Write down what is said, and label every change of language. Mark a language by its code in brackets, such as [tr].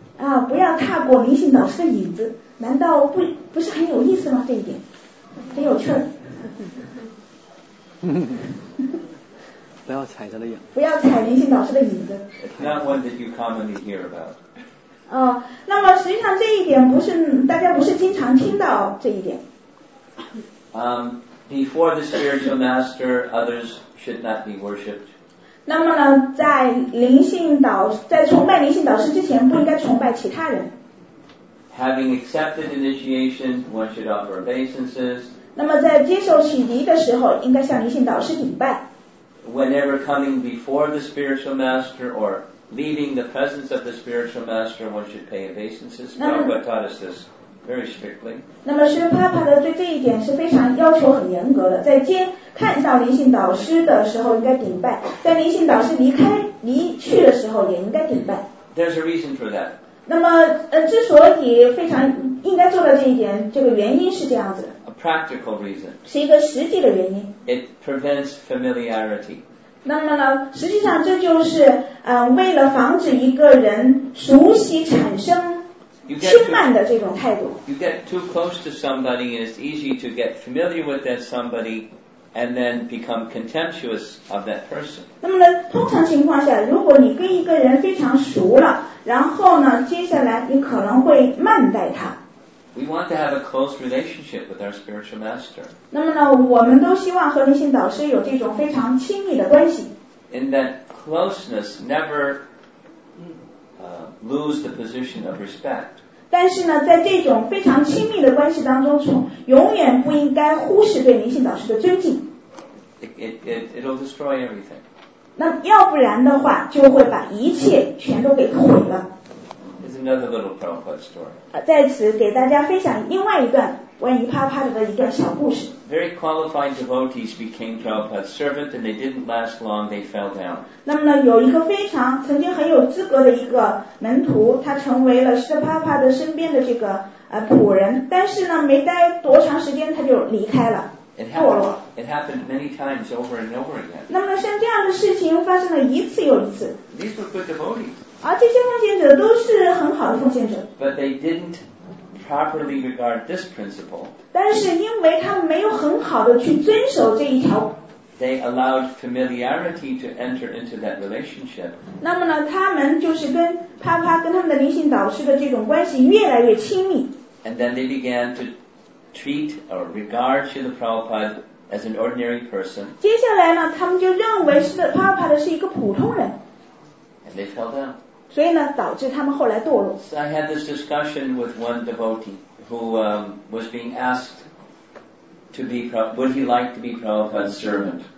[zh] 啊，不要踏过灵性导师的影子。难道不是很有意思吗？这一点很有趣。不要踩他的影。不要踩灵性导师的影子。 [en] It's not one that you commonly hear about. [zh] 哦，那么实际上这一点大家不是经常听到这一点。 [en] Before the spiritual master, others should not be worshipped. [zh] 那么呢，在崇拜灵性导师之前，不应该崇拜其他人。 [en] Having accepted initiation, one should offer obeisances. [zh] 那么在接受洗礼的时候，应该向灵性导师顶拜。 [en] Whenever coming before the spiritual master or leaving the presence of the spiritual master, one should pay obeisances. Prabhupada taught us this very strictly. [zh] 那么师父帕帕的对这一点是非常要求很严格的，在看到灵性导师的时候应该顶拜，在灵性导师离去的时候也应该顶拜。 [en] There's a reason for that. [zh] 那么之所以非常应该做到这一点，这个原因是这样子的。 [en] A practical reason. [zh] 是一个实际的原因。 [en] It prevents familiarity. [zh] 那么呢，实际上这就是为了防止一个人熟悉产生轻慢的这种态度。 [en] You get too close to somebody, and it's easy to get familiar with that somebody. And then become contemptuous of that person. [zh] 那么呢，通常情况下，如果你跟一个人非常熟了，然后呢，接下来你可能会慢待他。 [en] We want to have a close relationship with our spiritual master. [zh] 那么呢，我们都希望和灵性导师有这种非常亲密的关系。 [en] In that closeness, never lose the position of respect. [zh] 但是呢，在这种非常亲密的关系当中，永远不应该忽视对灵性导师的尊敬。 [en] It'll destroy everything. [zh] 那要不然的话，就会把一切全都给毁了。 [en] There's another little Prabhupada story. [zh] 在此给大家分享另外一段关于帕帕的一段小故事。 [en] Very qualified devotees became Prabhupada's servant, and they didn't last long. They fell down. [zh] 那么呢，有一个非常曾经很有资格的一个门徒，他成为了释帕帕的身边的这个仆人，但是呢，没待多长时间他就离开了。 [en] It happened many times over and over again. [zh] 那么像这样的事情发生了一次又一次。 [en] These were good devotees. [zh] 而这些奉献者都是很好的奉献者。 [en] But they didn't properly regard this principle. [zh] 但是因为他们没有很好的去遵守这一条。 [en] They allowed familiarity to enter into that relationship. [zh] 那么呢，他们就是跟帕帕跟他们的灵性导师的这种关系越来越亲密。 [en] And then they began to. Treat or regard Srila Prabhupada as an ordinary person. [zh] 接下来呢，他们就认为是帕帕的是一个普通人。 [en] And they fell down. [zh] 所以呢，导致他们后来堕落。 [en] So I had this discussion with one devotee who was being asked to be would he like to be Prabhupada's servant?